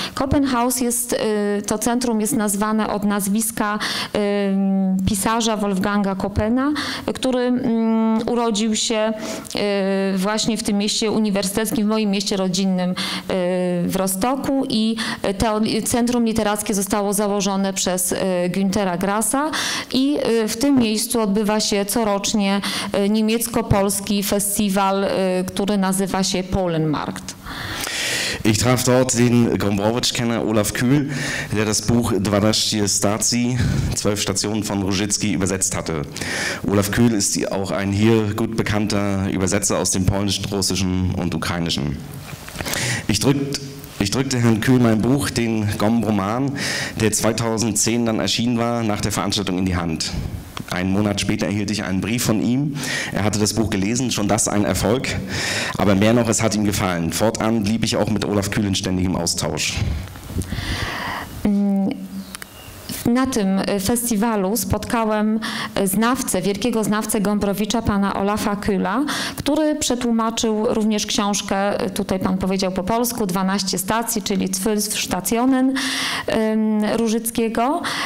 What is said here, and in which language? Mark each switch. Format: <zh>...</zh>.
<pl>Köppenhaus jest, to centrum jest nazwane od nazwiska pisarza Wolfganga Köppena, który urodził się właśnie w tym mieście uniwersyteckim, w moim mieście rodzinnym w Rostocku i to centrum literackie zostało założone przez Güntera Grassa i w tym miejscu odbywa się corocznie niemiecko-polski festiwal, który nazywa się Polenmarkt.</pl> <de>Ich traf dort den Gombrowicz-Kenner Olaf Kühl, der das Buch Dwanaście Stacji, 12 Stationen von Różycki, übersetzt hatte. Olaf Kühl ist auch ein hier gut bekannter Übersetzer aus dem Polnischen, Russischen und Ukrainischen. Ich drückte Herrn Kühl mein Buch, den Gombroman, der 2010 dann erschienen war, nach der Veranstaltung in die Hand. Einen Monat später erhielt ich einen Brief von ihm. Er hatte das Buch gelesen, schon das ein Erfolg. Aber mehr noch, es hat ihm gefallen. Fortan blieb ich auch mit Olaf Kühl in ständigem Austausch.</de> <pl>na tym festiwalu spotkałem znawcę, wielkiego znawcę Gombrowicza, pana Olafa Kühla, który przetłumaczył również książkę, tutaj pan powiedział po polsku, 12 stacji, czyli Zwölf Stationen Różyckiego.</pl>